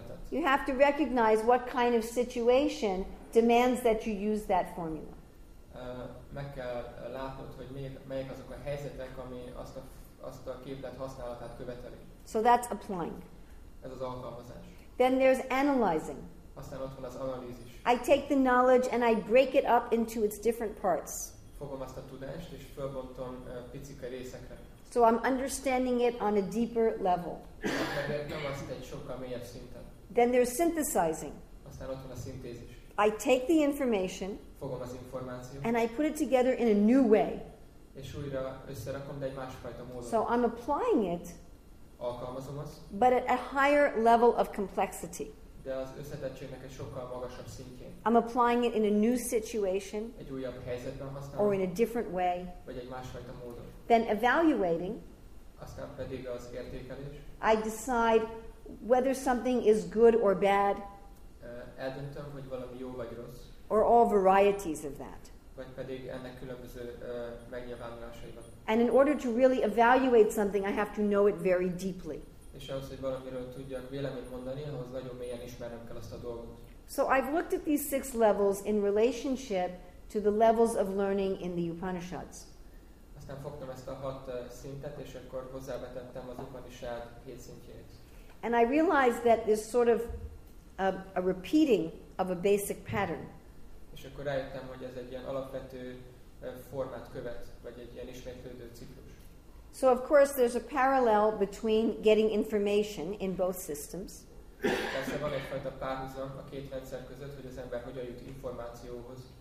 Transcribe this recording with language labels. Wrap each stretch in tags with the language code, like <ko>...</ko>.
<en>You have to recognize what kind of situation demands that you use that formula.</en> <hu>Meg kell látnod, hogy melyek azok a helyzetek, ami azt a képlet használatát követeli.</hu> <en>So that's applying.</en> <hu>Ez az alkalmazás.</hu> <en>Then there's analyzing.</en> <hu>Aztán ott van az analízis.</hu> <en>I take the knowledge and I break it up into its different parts.</en> <hu>Fogom azt a tudást és fölbontom picike részekre.</hu> <en>So I'm understanding it on a deeper level.</en> <hu>Megértem azt egy sokkal mélyebb szinten.</hu> <en>Then there's synthesizing.</en> <hu>Aztán ott van a szintézis.</hu> <en>I take the information.</en> <hu>Fogom az információt.</hu> <en>And I put it together in a new way.</en> <hu>És újra összerakom, de egy másfajta módon.</hu> <en>So I'm applying it.</en> <hu>Alkalmazom azt.</hu> <en>But at a higher level of complexity.</en> <hu>De az összetettségnek egy sokkal magasabb szintjén.</hu> <en>I'm applying it in a new situation.</en> <hu>Egy újabb helyzetben használom.</hu> <en>Or in a different way.</en> <hu>Vagy egy másfajta módon.</hu> <en>Then evaluating.</en> <hu>Aztán pedig az értékelés.</hu> <en>I decide whether something is good or bad.</en> <hu>Eldöntöm, hogy valami jó vagy rossz.</hu> <en>Or all varieties of that.</en> <hu>Vagy pedig ennek különböző megnyilvánulásaiban.</hu> <en>And in order to really evaluate something, I have to know it very deeply.</en> <hu>És ahhoz, hogy valamiről tudjak véleményt mondani, ahhoz nagyon mélyen ismernem kell azt a dolgot.</hu> <en>So I've looked at these 6 levels in relationship to the levels of learning in the Upanishads.</en> <hu>Aztán fogtam ezt a 6 szintet, és akkor hozzávetettem az Upanishad 7 szintjét.</hu> <en>And I realized that this sort of a repeating of a basic pattern.</en> <hu>És akkor rájöttem, hogy ez egy ilyen alapvető formát követ, vagy egy ilyen ismétlődő ciklus.</hu> <en>So of course there's a parallel between getting information in both systems.</en> <hu>Persze van egyfajta párhuzam a két rendszer között, hogy az ember hogyan jut információhoz.</hu>